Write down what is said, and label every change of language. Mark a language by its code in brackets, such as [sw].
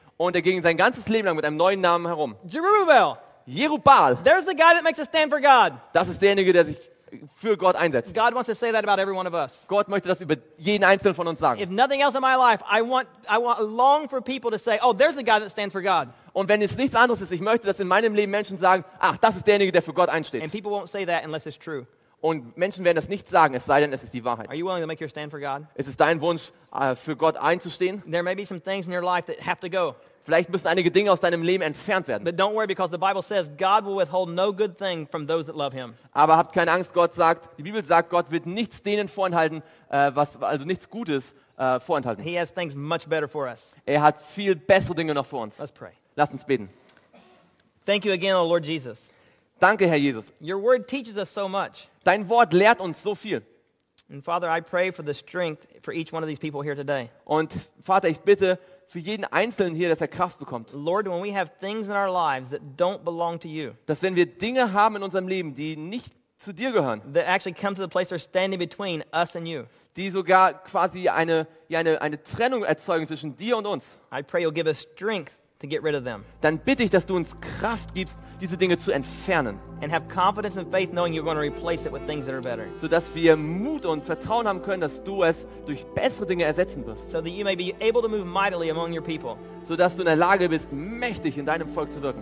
[de] Und er ging sein ganzes Leben lang mit einem neuen Namen herum. Jerubbaal. Jerubbaal. [en] There's the guy that makes a stand for God. [de] Das ist derjenige, der sich für Gott einsetzt. [en] God wants to say that about every one of us. [de] Gott möchte das über jeden einzelnen von uns sagen. [en] If nothing else in my life, I long for people to say, oh, there's the guy that stands for God. [de] Und wenn es nichts anderes ist, ich möchte, dass in meinem Leben Menschen sagen, ach, das ist derjenige, der für Gott einsteht. [en] And people won't say that unless it's true. [de] Und Menschen werden das nicht sagen, es sei denn, es ist die Wahrheit. [en] Are you willing to make your stand for God? [de] Ist es dein Wunsch, für Gott einzustehen? [en] There may be some things in your life that have to go. [de] Vielleicht müssen einige Dinge aus deinem Leben entfernt werden. [en] But don't worry, because the Bible says God will withhold no good thing from those that love him. [de] Aber habt keine Angst, Gott sagt, die Bibel sagt, Gott wird nichts denen vorenthalten, nichts Gutes vorenthalten. [en] He has things much better for us. [de] Er hat viel bessere Dinge noch für uns. [en] Let's pray. [de] Lass uns beten. [en] Thank you again, O Lord Jesus. [de] Danke, Herr Jesus. [en] Your word teaches us so much. [de] Dein Wort lehrt uns so viel. [en] And Father, I pray for the strength for each one of these people here today. [de] Und Vater, ich bitte für jeden Einzelnen hier, dass er Kraft bekommt. [en] Lord, when we have things in our lives that don't belong to you. [de] Dass wenn wir Dinge haben in unserem Leben, die nicht zu dir gehören. [en] That actually come to the place they're standing between us and you. [de] Die sogar quasi eine Trennung erzeugen zwischen dir und uns. [en] I pray you'll give us strength to get rid of them. [de] Dann bitte ich, dass du uns Kraft gibst, diese Dinge zu entfernen. [en] And have confidence and faith knowing you're going to replace it with things that are better. [de] So dass wir Mut und Vertrauen haben können, dass du es durch bessere Dinge ersetzen wirst. [en] So that you may be able to move mightily among your people. [de] So dass du in der Lage bist, mächtig in deinem Volk zu wirken.